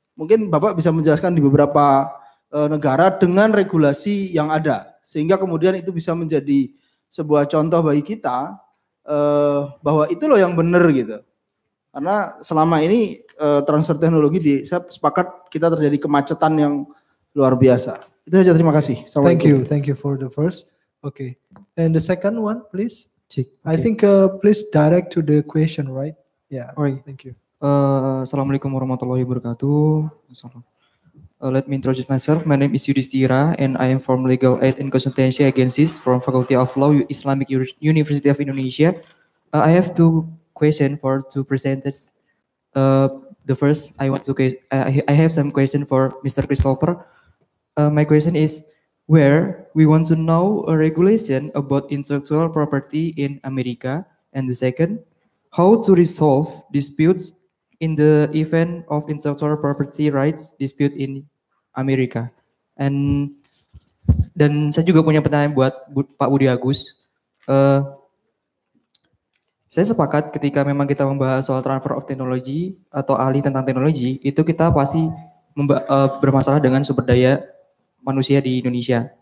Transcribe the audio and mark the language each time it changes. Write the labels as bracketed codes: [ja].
[id] Mungkin Bapak bisa menjelaskan di beberapa negara dengan regulasi yang ada sehingga kemudian itu bisa menjadi sebuah contoh bagi kita bahwa itu loh yang benar gitu. Karena selama ini transfer teknologi di saya sepakat kita terjadi kemacetan yang luar biasa. Itu saja, terima kasih. [en] Thank you for the first. Okay. And the second one please. Okay. I think please direct to the question, right? Yeah. Alright. Thank you. [ar] Assalamualaikum warahmatullahi wabarakatuh. [en] Let me introduce myself. My name is Yudhistira and I am from Legal Aid and Consultancy Agencies from Faculty of Law, Islamic University of Indonesia. I have 2 questions for 2 presenters. The first, I have some question for Mr. Christopher. My question is, where we want to know a regulation about intellectual property in America? And the second, how to resolve disputes in the event of intellectual property rights dispute in America? [id] And dan saya juga punya pertanyaan buat Pak Budi Agus. Saya sepakat ketika memang kita membahas soal [en] transfer of technology [id] atau ahli tentang teknologi, itu kita pasti bermasalah dengan sumber daya manusia di Indonesia.